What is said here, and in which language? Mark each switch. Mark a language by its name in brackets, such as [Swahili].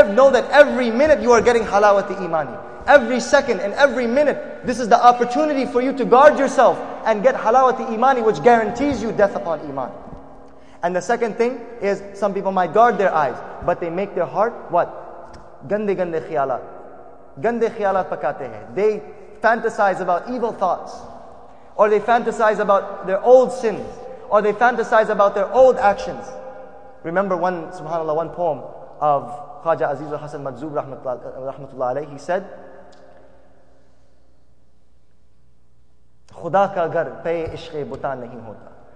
[English] Know that every minute you are getting halawati imani. Every second and every minute, this is the opportunity for you to guard yourself and get halawati imani, which guarantees you death upon iman. And the second thing is, some people might guard their eyes, but they make their heart what? [Urdu] گندے گندے خیالات۔ گندے خیالات پکاتے ہے۔ [English] They fantasize about evil thoughts. Or they fantasize about their old sins. Or they fantasize about their old actions. Remember one, subhanAllah, one poem of Khaja Aziz al-Hasan Madzub rahmatullah alayhi. He said, [Urdu] خدا کا اگر پائے عشقِ بتاں نہیں ہوتا۔